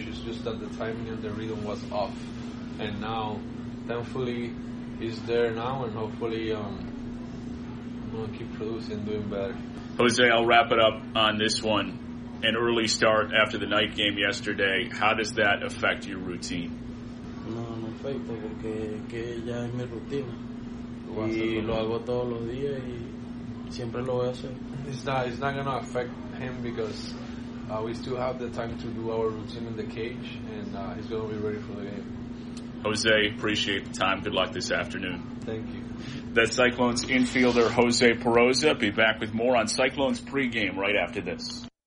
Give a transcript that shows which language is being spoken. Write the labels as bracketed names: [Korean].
[English] It's just that the timing and the rhythm was off, and now thankfully he's there now, and hopefully we'll keep producing, doing better. Jose, I'll wrap it up on this one. An early start after the night game yesterday. How does that affect your routine? [Spanish] No afecta porque que ya es mi rutina y lo hago todos los días y siempre lo voy a hacer. [English] It's not gonna affect him because we still have the time to do our routine in the cage, and he's gonna be ready for the game. Jose, appreciate the time. Good luck this afternoon. Thank you. That's Cyclones infielder Jose Peroza. Be back with more on Cyclones pregame right after this.